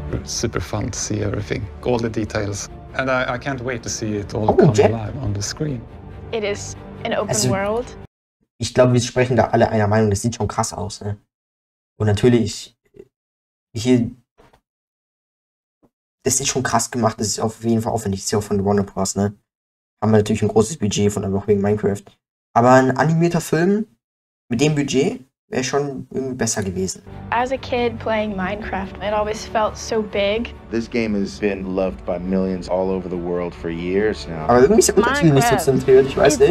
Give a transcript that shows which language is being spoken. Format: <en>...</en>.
<en>It's super fun to see everything, all the details. And I can't wait to see it all come alive on the screen. It is an open also, world.</en> <de>Ich glaube, wir sprechen da alle einer Meinung. Das sieht schon krass aus, ne? Und natürlich, hier... Das ist schon krass gemacht. Das ist auf jeden Fall aufwendig. Das ist ja auch von Warner Bros., ne? Haben wir natürlich ein großes Budget von einfach wegen Minecraft. Aber ein animierter Film mit dem Budget wäre schon irgendwie besser gewesen.</de> <en>As a kid playing Minecraft, it always felt so big. This game has been loved by millions all over the world for years now.</en> <de>Aber irgendwie ist der Untertitel nicht so zentriert, ich weiß nicht.</de>